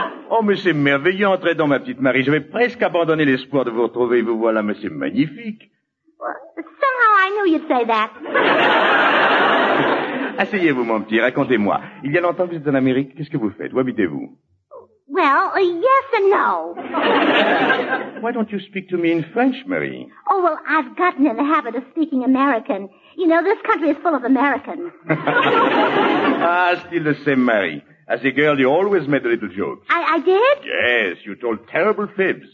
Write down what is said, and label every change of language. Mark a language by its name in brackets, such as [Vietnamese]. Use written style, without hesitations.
[French] Oh, mais c'est merveilleux, entrez dans ma petite Marie. J'avais presque abandonné l'espoir de vous retrouver. Vous voilà, mais c'est magnifique. [English] Well, somehow I knew you'd say that. [French] Asseyez-vous, mon petit, racontez-moi. Il y a longtemps que vous êtes en Amérique, qu'est-ce que vous faites? Où habitez-vous? [English] Well, yes and no. Why don't you speak to me in French, Marie? Oh, well, I've gotten in the habit of speaking American. You know, this country is full of Americans. Ah, still the same, Marie. As a girl, you always made a little joke. I did? Yes, you told terrible fibs.